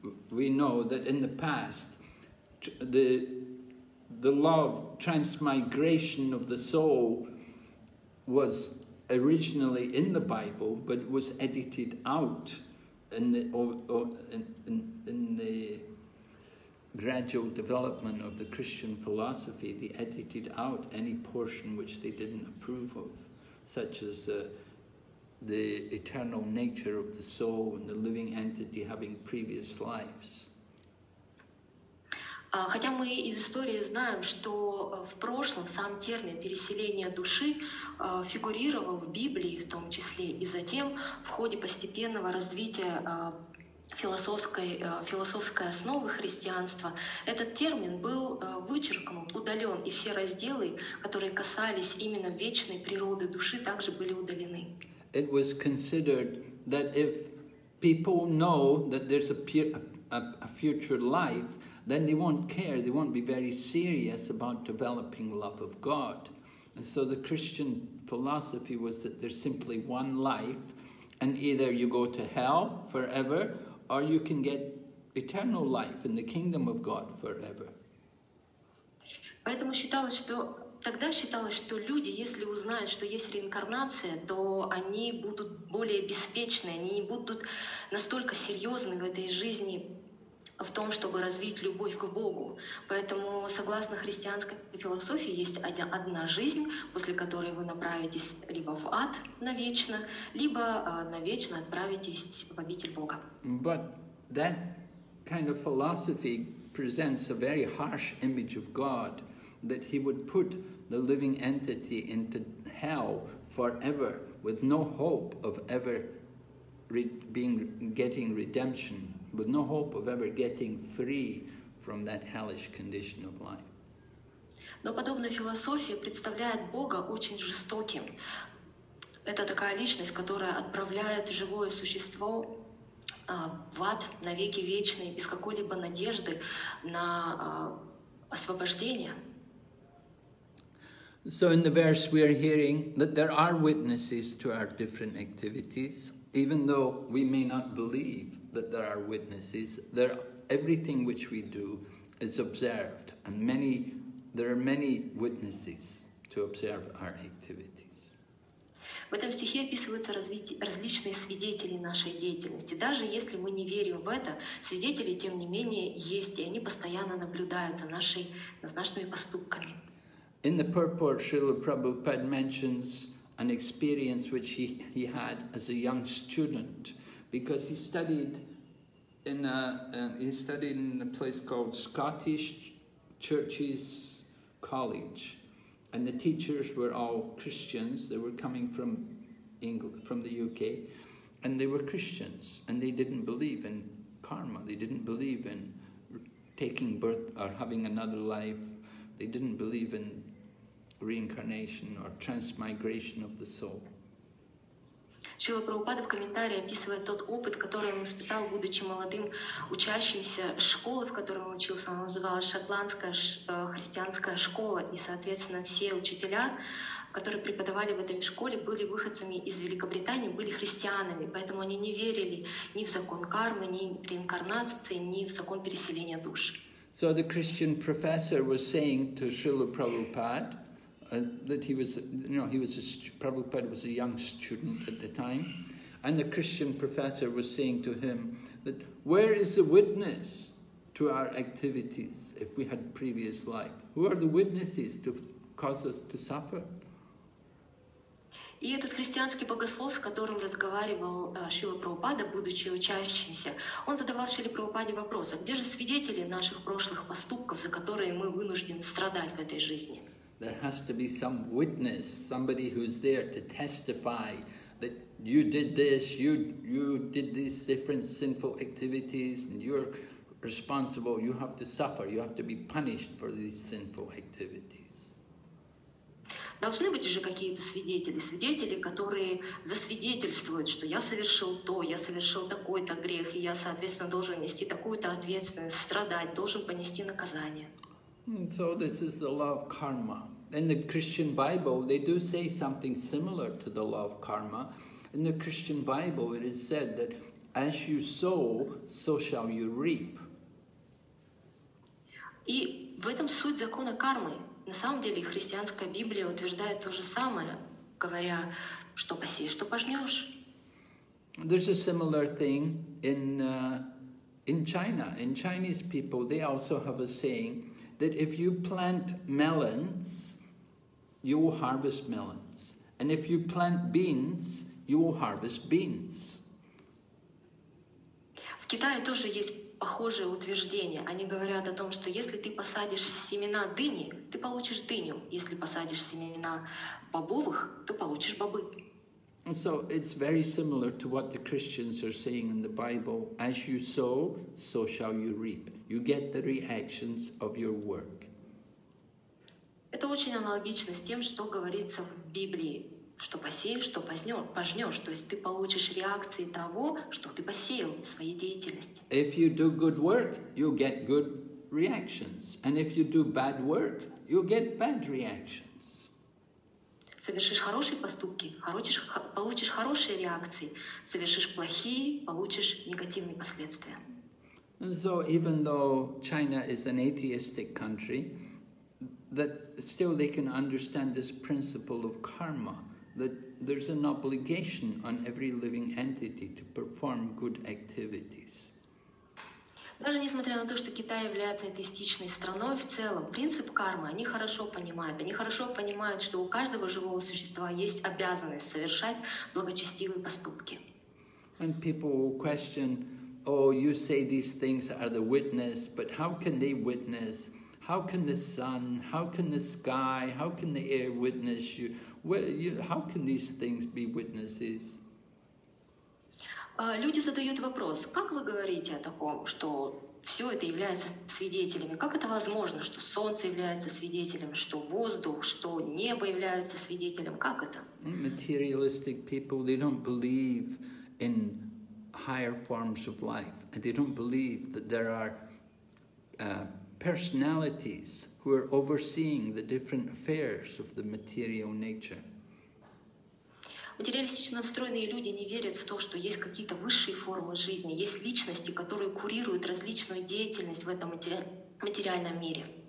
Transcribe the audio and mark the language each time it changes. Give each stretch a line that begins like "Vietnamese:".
English: We know that in the past the law of transmigration of the soul was originally in the Bible, but was edited out in the gradual development of the Christian philosophy. They edited out any portion which they didn't approve of, such as the eternal nature of the soul and the living entity having previous lives.
Russian: Хотя мы из истории знаем, что в прошлом сам термин переселения души фигурировал в Библии в том числе, и затем в ходе постепенного развития философской основы христианства этот термин был вычеркнут, удален, и все разделы, которые касались именно вечной природы души, также были удалены.
English: It was considered that if people know that there's a future life, then they won't care, they won't be very serious about developing love of God. And so the Christian philosophy was that there's simply one life, and either you go to hell forever, or you can get eternal life in the kingdom of God forever.
Russian: Поэтому считалось, что тогда считалось, что люди, если узнают, что есть реинкарнация, то они будут более беспечны, они не будут настолько серьезны в этой жизни, в том, чтобы развить любовь к Богу. Поэтому, согласно христианской философии, есть одна жизнь, после которой вы направитесь либо в ад навечно, либо навечно отправитесь в обитель Бога.
English: But that kind of philosophy presents a very harsh image of God, that he would put the living entity into hell forever with no hope of ever getting redemption, with no hope of ever getting free from that hellish condition of life.
Russian: Но подобная философия представляет Бога очень жестоким. Это такая личность, которая отправляет живое существо в ад навеки вечные без какой-либо надежды на освобождение.
English: So in the verse we are hearing that there are witnesses to our different activities, even though we may not believe that there are witnesses, there everything which we do is observed, and there are many witnesses to observe our activities.
Russian: В этом стихе описываются различные свидетели нашей деятельности. Даже если мы не верим в это, свидетели тем не менее есть, и они постоянно наблюдают за нашими поступками.
English: In the purport, Srila Prabhupada mentions an experience which he had as a young student, because he studied in a place called Scottish Churches College, and the teachers were all Christians. They were coming from England, from the UK, and they were Christians, and they didn't believe in karma. They didn't believe in taking birth or having another life. They didn't believe in reincarnation or transmigration of the soul.
Russian: Шрила Прабхупада в комментарии описывает тот опыт, который он испытал, будучи молодым учащимся школы, в которой он учился. Она называлась Шотландская христианская школа, и, соответственно, все учителя, которые преподавали в этой школе, были выходцами из Великобритании, были христианами, поэтому они не верили ни в закон кармы, ни в реинкарнации, ни в закон переселения душ.
English: So the Christian professor was saying to Шрила Прабхупада, that he was, you know, Prabhupada was a young student at the time, and the Christian professor was saying to him that where is the witness to our activities if we had previous life? Who are the witnesses to cause us to suffer?
Russian: И этот христианский богослов, с которым разговаривал Шрила Прабхупада, будучи учащимся, он задавал Шриле Прабхупаде вопрос: а где же свидетели наших прошлых поступков, за которые мы вынуждены страдать в этой жизни?
English: There has to be some witness, somebody who's there to testify that you did this, you did these different sinful activities, and you're responsible. You have to suffer. You have to be punished for these sinful activities.
Russian: Должны быть же какие-то свидетели, свидетели, которые засвидетельствуют, что я совершил то, я совершил такой-то грех, и я, соответственно, должен нести такую-то ответственность, страдать, должен понести наказание.
English: And so this is the law of karma. In the Christian Bible, they do say something similar to the law of karma. In the Christian Bible, it is said that as you sow, so shall you reap.
Russian: И в этом суть закона кармы. На самом деле, христианская Библия утверждает то же самое, говоря, что посеешь, то пожнешь.
English: There's a similar thing in China. In Chinese people, they also have a saying that if you plant melons, you will harvest melons. And if you plant beans, you will harvest beans.
Russian: В Китае тоже есть похожее утверждение. Они говорят о том, что если ты посадишь семена дыни, ты получишь дыню. Если посадишь семена бобовых, ты получишь бобы.
English: And so it's very similar to what the Christians are saying in the Bible. As you sow, so shall you reap. You get the reactions of your work.
Russian: Это очень аналогично с тем, что говорится в Библии. Что посеешь, что пожнешь. То есть ты получишь реакции того, что ты посеял в своей деятельности.
English: If you do good work, you get good reactions. And if you do bad work, you get bad reactions.
Russian: Совершишь хорошие поступки, получишь хорошие реакции. Совершишь плохие, получишь негативные последствия.
English: And so even though China is an atheistic country, that still they can understand this principle of karma, that there's an obligation on every living entity to perform good activities.
Russian: Даже несмотря на то, что Китай является атеистичной страной в целом, принцип кармы они хорошо понимают. Они хорошо понимают, что у каждого живого существа есть обязанность совершать благочестивые поступки.
English: And people will question, oh, you say these things are the witness, but how can they witness? How can the sun, how can the sky, how can the air witness you? How can these things be witnesses?
Russian: Люди задают вопрос, как вы говорите о таком, что все это является свидетелями? Как это возможно, что солнце является свидетелем, что воздух, что небо является свидетелем? Как это?
English: Materialistic people, they don't believe in higher forms of life. And they don't believe that there are personalities who are overseeing the different affairs of the material nature.
Russian: Материалистично настроенные люди не верят в то, что есть какие-то высшие формы жизни, есть личности, которые курируют различную деятельность в этом материальном мире.